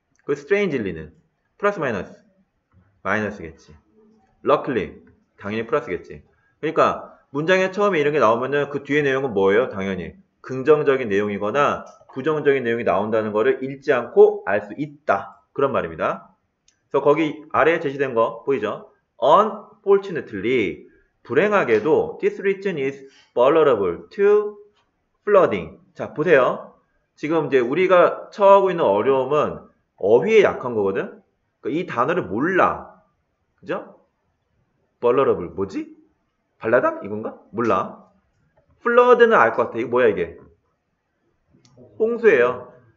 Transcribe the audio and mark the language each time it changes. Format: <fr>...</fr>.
<ko>그 strangely는 플러스 마이너스, 마이너스겠지. luckily, 당연히 플러스겠지. 그러니까 문장에 처음에 이런 게 나오면은 그 뒤에 내용은 뭐예요? 당연히 긍정적인 내용이거나 부정적인 내용이 나온다는 거를 읽지 않고 알수 있다. 그런 말입니다. 그래서 거기 아래에 제시된 거 보이죠?</ko> <en>Unfortunately,</en> <ko>불행하게도</ko> <en>this region is vulnerable to flooding.</en> <ko>자, 보세요. 지금 이제 우리가 처하고 있는 어려움은 어휘에 약한 거거든? 이 단어를 몰라. 그죠? vulnerable, 뭐지? 발라당? 이건가? 몰라. flood는 알것 같아. 이거 뭐야, 이게? 홍수예요.</ko>